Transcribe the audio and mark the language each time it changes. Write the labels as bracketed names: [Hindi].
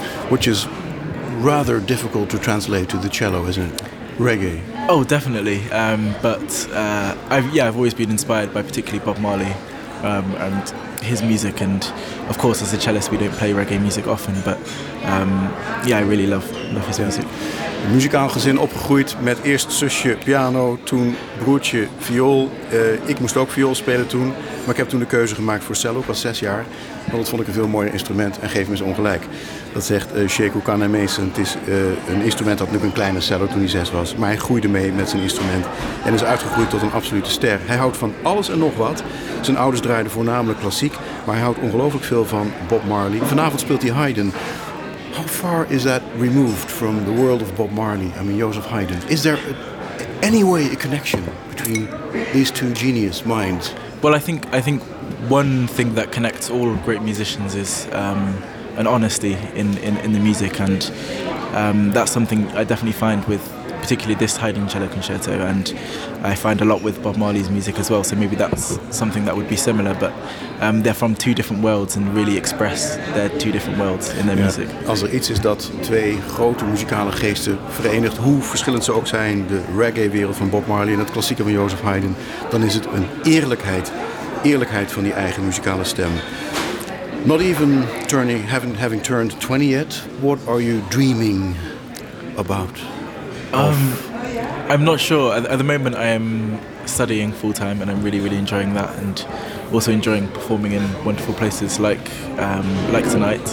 [English] Which is rather difficult to translate to the cello, isn't it? Reggae. Oh, definitely. I've always been inspired by particularly Bob Marley and his music. And of course, as a cellist, we don't play reggae music often. But I really love his music. [Dutch] Een muzikaal gezin opgegroeid met eerst zusje piano, toen broertje viool. Ik moest ook viool spelen toen. Maar ik heb toen de keuze gemaakt voor cello, ik was 6 jaar. Want dat vond ik een veel mooier instrument en geef me eens ongelijk. Dat zegt Sheku Kanamesen. Het is een instrument dat nu een kleine cello toen hij 6 was. Maar hij groeide mee met zijn instrument en is uitgegroeid tot een absolute ster. Hij houdt van alles en nog wat. Zijn ouders draaiden voornamelijk klassiek. Maar hij houdt ongelooflijk veel van Bob Marley. Vanavond speelt hij Haydn. [English] How far is that removed from the world of Bob Marley? I mean, Joseph Haydn. Is there any way a connection between these two genius minds? Well, I think one thing that connects all great musicians is an honesty in the music, and that's something I definitely find with particularly this Haydn cello concerto, and I find a lot with Bob Marley's music as well, so maybe that's something that would be similar, but they're from two different worlds and really express their two different worlds in their music. [Dutch] Als er iets is dat twee grote muzikale geesten verenigt, hoe verschillend ze ook zijn, de reggae-wereld van Bob Marley en het klassieke van Joseph Haydn, dan is het een eerlijkheid van die eigen muzikale stem. [English] Not even having turned 20 yet, what are you dreaming about? I'm not sure. At the moment, I am studying full time, and I'm really, really enjoying that, and also enjoying performing in wonderful places like tonight.